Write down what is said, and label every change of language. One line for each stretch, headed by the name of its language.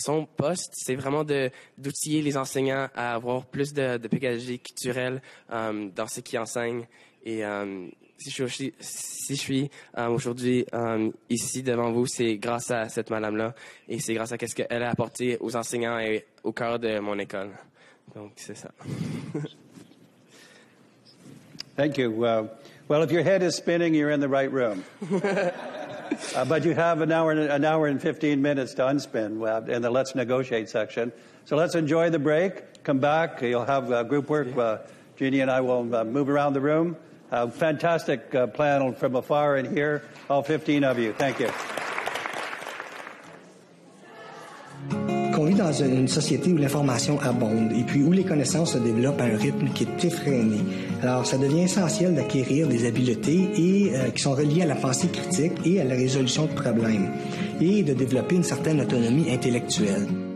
French: Son poste, c'est vraiment d'outiller les enseignants à avoir plus de pédagogie culturelle dans ce qu'ils enseignent. Et si je suis aujourd'hui ici devant vous, c'est grâce à cette madame-là et c'est grâce à ce qu'elle a apporté aux enseignants et au cœur de mon école. Donc, c'est ça.
English: Thank you. Well, if your head is spinning, you're in the right room. but you have an hour and 15 minutes to unspin in the Let's Negotiate section. So let's enjoy the break. Come back. You'll have group work. Jeannie and I will move around the room. A fantastic panel from afar and here, all 15 of you. Thank you.
French: On vit dans une société où l'information abonde et puis où les connaissances se développent à un rythme qui est effréné. Alors, ça devient essentiel d'acquérir des habiletés qui sont reliées à la pensée critique et à la résolution de problèmes et de développer une certaine autonomie intellectuelle.